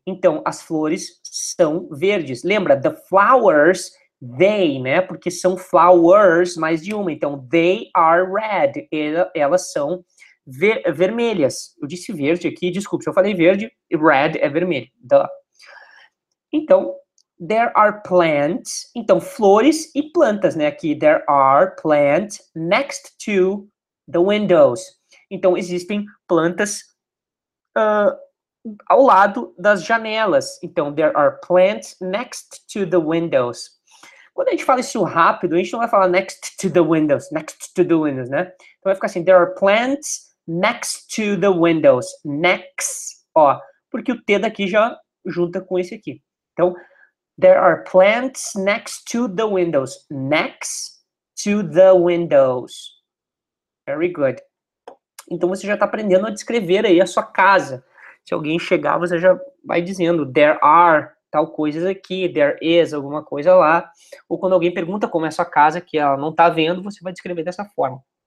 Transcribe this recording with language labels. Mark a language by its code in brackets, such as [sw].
[pt] Então, as flores são verdes. Lembra, [en] the flowers, they, [pt] né? Porque são flowers mais de uma. Então, [en] they are red. [pt] Elas são vermelhas. Eu disse verde aqui, desculpe, se eu falei verde, red é vermelho. Duh. Então, [en] There are plants. [pt] Então, flores e plantas, né? [en] Aqui, there are plants next to the windows. [pt] Então, existem plantas ao lado das janelas. [en] Então, there are plants next to the windows. [pt] Quando a gente fala isso rápido, a gente não vai falar [en] next to the windows, next to the windows, [pt] né? Então, vai ficar assim, [en] there are plants next to the windows. Next, ó. [pt] Porque o T daqui já junta com esse aqui. [en] Então, there are plants next to the windows. Next to the windows. Very good. [pt] Então, você já está aprendendo a descrever aí a sua casa. Se alguém chegar, você já vai dizendo, [en] there are [pt] tal coisas aqui, [en] there is [pt] alguma coisa lá. Ou quando alguém pergunta como é a sua casa, que ela não está vendo, você vai descrever dessa forma.